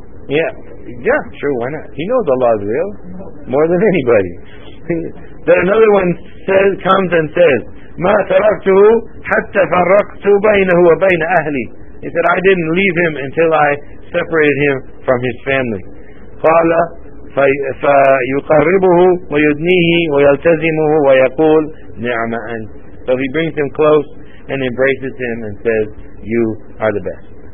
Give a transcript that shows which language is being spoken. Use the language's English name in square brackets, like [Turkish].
[English] Yeah, sure, why not? He knows Allah is real, more than anybody. Then another one comes and says, [Arabic] مَا تَرَكْتُهُ حَتَّى فَرَّقْتُ بَيْنَهُ وَبَيْنَ أَهْلِي, [English] He said, I didn't leave him until I separated him from his family. [Arabic] قَالَ فَيُقَرِّبُهُ وَيُدْنِيهِ وَيَلْتَزِمُهُ وَيَقُولْ نِعْمَ أَنْتَ. [English] So he brings him close and embraces him and says, you are the best.